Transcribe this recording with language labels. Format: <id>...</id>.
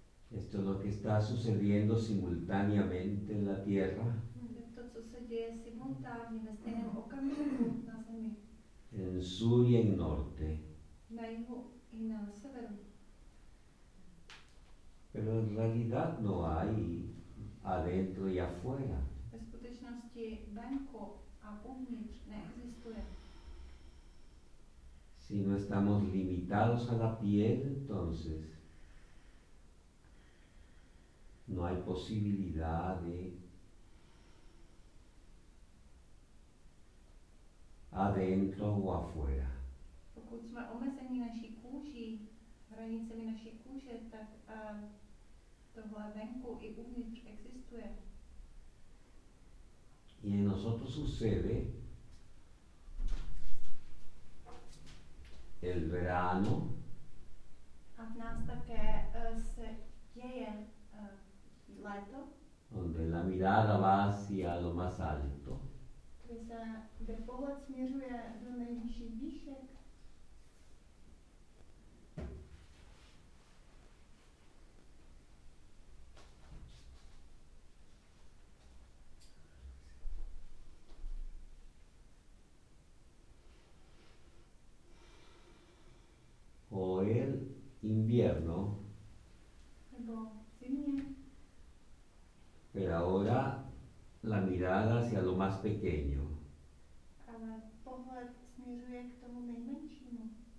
<es>Esto es lo que está sucediendo simultáneamente en la Tierra.</es> <cs>To, co se děje simultánně ve stejném okamžiku na Zemi.</cs> <es>En sur y en norte.</es> <cs>Na jihu i na severu.</cs> <es>Pero en realidad no hay adentro y afuera.</es> <cs>Ve skutečnosti venku a uvnitř neexistuje.</cs> <es>Si no estamos limitados a la piel, entonces no hay posibilidad de adentro. adentro o afuera.</es> <cs>Pokud jsme omezení naší kůži, hranicemi naší kůže, tak tohle venku i uvnitř existuje.</cs> <es>Y en nosotros sucede el verano.</es> <cs>A v nás také se děje léto.</cs> <es>Donde la mirada va hacia lo más alto.</es> <cs>Kde pohled směřuje do nejvyšších výšek.</cs> <es>O el invierno.</es> <cs>Nebo zimě.</cs> <es>Pero ahora la mirada hacia lo más pequeño.</es> <cs>Ale pohled směřuje k tomu nejmenšímu.</cs>